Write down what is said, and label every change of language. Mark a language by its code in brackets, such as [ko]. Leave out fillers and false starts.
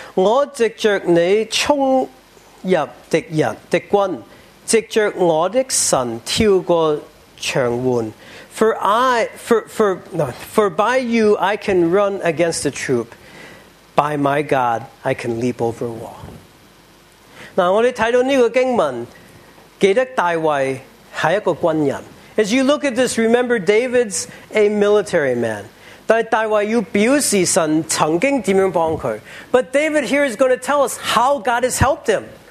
[zh] 我藉着你冲入敌人的军，藉着我的神跳过墙垣。 [en] For by you I can run against the troop. By my God I can leap over wall. [zh] 那我们看到这个经文，记得大卫是一个军人。 [en] As you look at this, remember David's a military man. [zh] 但大卫要表示神曾经怎样帮他。 [en] But David here is going to tell us how God has helped him.